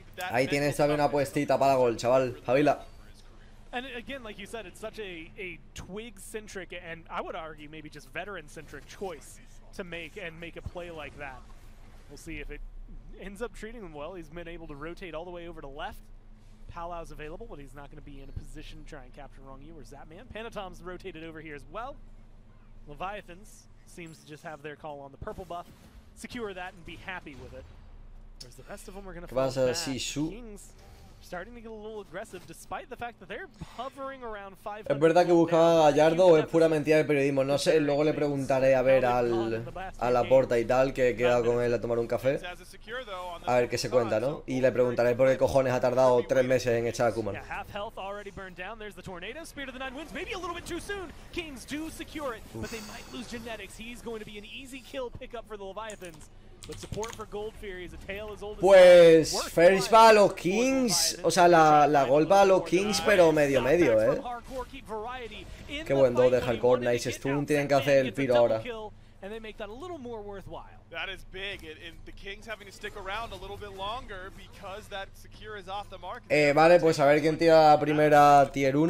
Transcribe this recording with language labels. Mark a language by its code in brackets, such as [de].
[es] Ahí tienes también una puestita para gol, chaval. Javila. [en] And again, like you said, it's such a twig-centric and I would argue maybe just veteran-centric choice to make and make a play like that. We'll see if it ends up treating him well. He's been able to rotate all the way over to left. Palau's available, but he's not going to be in a position to try and capture Rongyu or Zapman. Panatom's rotated over here as well. Leviathans seems to just have their call on the purple buff. Secure that and be happy with it. Whereas the rest of them are going to fall back. Kings starting to get a little aggressive despite the fact that they're hovering around 500. [es] ¿Es verdad que buscaba a Gallardo o es pura mentira del periodismo? No sé, luego le preguntaré a ver al a Laporta y tal, que he quedado con él a tomar un café. A ver qué se cuenta, ¿no? Y le preguntaré por qué cojones ha tardado 3 meses en echar a Kuman. [en] Half health already burned down. There's the tornado. Spirit of the Nine wins. Maybe a little bit too soon. Kings do secure it, but they might lose genetics. He's going to be an easy kill pickup for the Leviathans. But support for Gold Fury is a tale as old as [es] pues first va a los Kings, o sea, la Gold va a los Kings, pero medio, Qué buen do de Hardcore, [en] nice stun, [es] tienen que hacer el tiro ahora. [en] And they make that a little more worthwhile. That is big, and the Kings having to stick around a little bit longer because that secure is off the mark. [es] Vale, pues a ver quién tira la primera tier 1.